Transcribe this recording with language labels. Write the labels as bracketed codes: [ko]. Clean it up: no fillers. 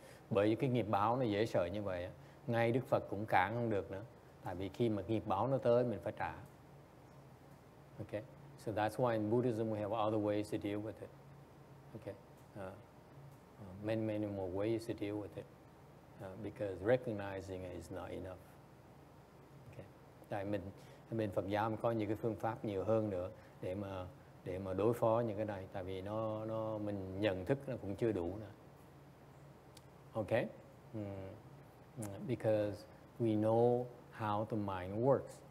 [vi] Bởi vì cái nghiệp báo nó dễ sợ như vậy, ngay Đức Phật cũng cản không được nữa. Tại vì khi mà nghiệp báo nó tới, mình phải trả. [en] Okay? So that's why in Buddhism we have other ways to deal with it. Okay? Many, many more ways to deal with it. Because recognizing it is not enough. Okay. [vi] Tại mình bên Phật giáo có những cái phương pháp nhiều hơn nữa để mà đối phó những cái này, tại vì nó mình nhận thức nó cũng chưa đủ nữa. Okay. [en] Because we know how the mind works.